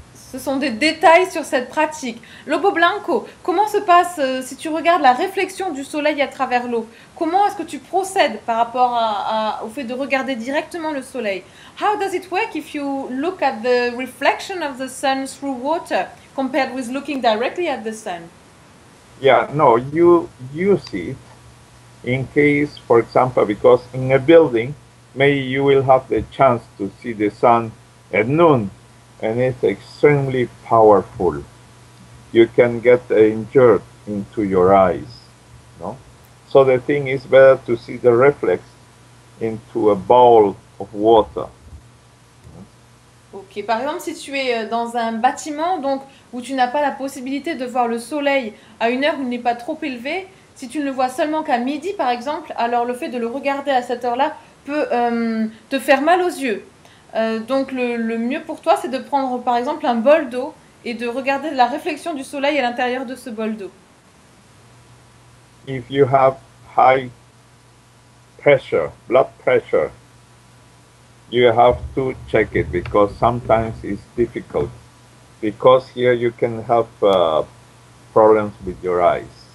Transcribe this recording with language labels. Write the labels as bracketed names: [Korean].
[French] Ce sont des détails sur cette pratique. Lobo Blanco, comment se passe si tu regardes la réflexion du soleil à travers l'eau? Comment est-ce que tu procèdes par rapport au fait de regarder directement le soleil? [English] How does it work if you look at the reflection of the sun through water compared with looking directly at the sun? Yeah, no, you see it in case, for example, because in a building, maybe you will have the chance to see the sun at noon, and it's extremely powerful. You can get injured into your eyes, no? So the thing is better to see the reflex into a bowl of water. Okay. [French] Par exemple, si tu es dans un bâtiment donc où tu n'as pas la possibilité de voir le soleil à une heure qui n'est pas trop élevée, si tu ne le vois seulement qu'à midi, par exemple, alors le fait de le regarder à cette heure-là peut te faire mal aux yeux. Donc le mieux pour toi, c'est de prendre par exemple un bol d'eau et de regarder la réflexion du soleil à l'intérieur de ce bol d'eau. [English] If you have high pressure, blood pressure, you have to check it because sometimes it's difficult. Because here you can have problems with your eyes.